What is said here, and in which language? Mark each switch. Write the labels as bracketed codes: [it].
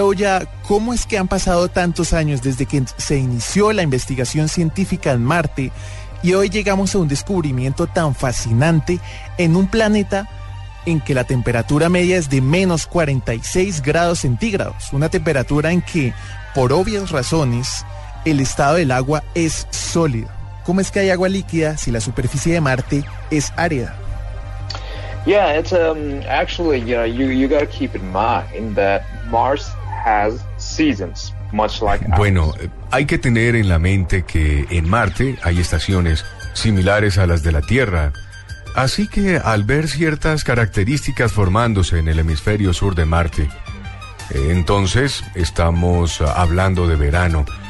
[es] Ouya, ¿cómo es que han pasado tantos años desde que se inició la investigación científica en Marte, y hoy llegamos a un descubrimiento tan fascinante en un planeta en que la temperatura media es de menos 46 grados centígrados, una temperatura en que, por obvias razones, el estado del agua es sólido? ¿Cómo es que hay agua líquida si la superficie de Marte es árida? [en] Yeah, it's actually, you know, you got to keep in mind that Mars has seasons. [es] Bueno, hay que tener en la mente que en Marte hay estaciones similares a las de la Tierra. Así que al ver ciertas características formándose en el hemisferio sur de Marte, entonces estamos hablando de verano.